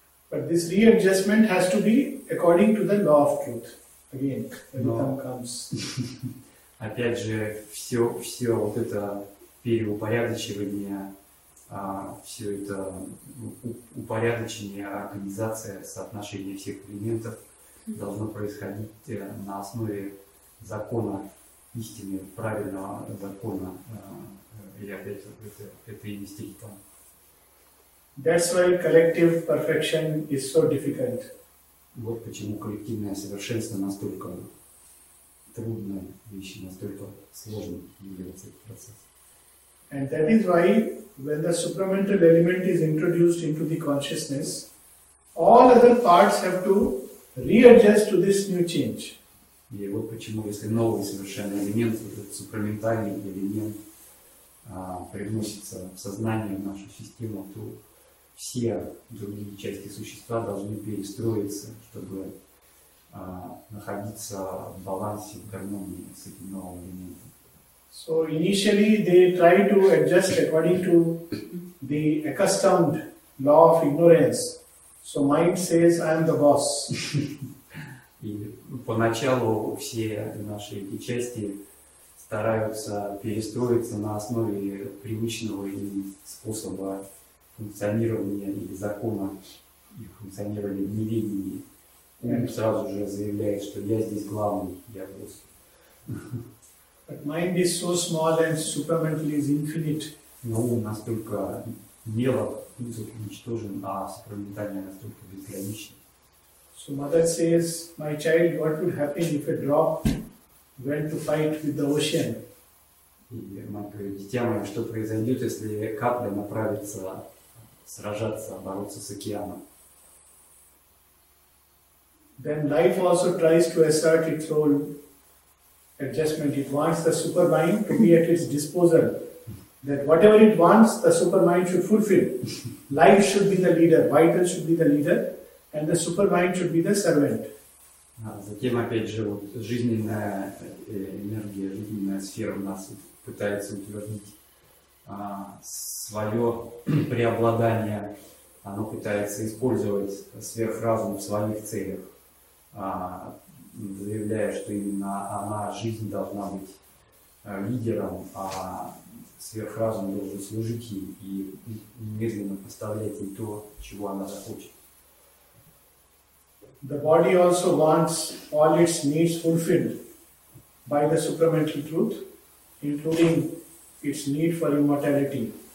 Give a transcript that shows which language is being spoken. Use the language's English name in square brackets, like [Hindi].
[English] But this readjustment has to be according to the law of truth. Again, when it comes. [Russian] Опять же, все вот это переупорядочивание, все это упорядочение, организация, соотношение всех элементов должно происходить на основе закона истины, правильного закона, и опять это и есть там. [English] That's why collective perfection is so difficult. [Russian] Вот почему коллективное совершенство настолько трудно, вещи настолько сложно является этот процесс. [English] And that is why when the supramental element is introduced into the consciousness, all other parts have to readjust to this new change. [Russian] И вот почему, если новый совершенный элемент, вот этот супраментальный элемент, привносится в сознание, в нашу систему, то все другие части существа должны перестроиться, чтобы находиться в балансе, в гармонии с этим новым элементом. [English] So initially they try to adjust according to the accustomed law of ignorance. So mind says, I am the boss. [Russian] И поначалу все наши эти части стараются перестроиться на основе привычного им способа функционирования или закона и функционирования в неведении. Ум сразу же заявляет, что я здесь главный, я босс. [English] But mind is so small and supramental is infinite. [Russian] Но ум настолько мелок, в принципе, уничтожен, а сакраментальная настолько безгранична. [English] So mother says, my child, what would happen if a drop went to fight with the ocean? [Russian] И мать говорит, дитя мое, что произойдет, если капля направится сражаться, бороться с океаном? [English] Then life also tries to assert its role adjustment. It wants the super mind to be at its disposal. That whatever it wants, the supermind should fulfill. Life should be the leader, vital should be the leader, And the supermind should be the servant. [Russian] А затем опять же вот жизненная энергия, жизненная сфера у нас пытается утвердить свое преобладание. Оно пытается использовать сверхразум в своих целях, заявляя, что именно она, жизнь, должна быть лидером, а сверхразум должен служить ей и немедленно поставлять ей то, чего она захочет. [English] The body also wants all its needs fulfilled by the supramental truth, including its need for immortality.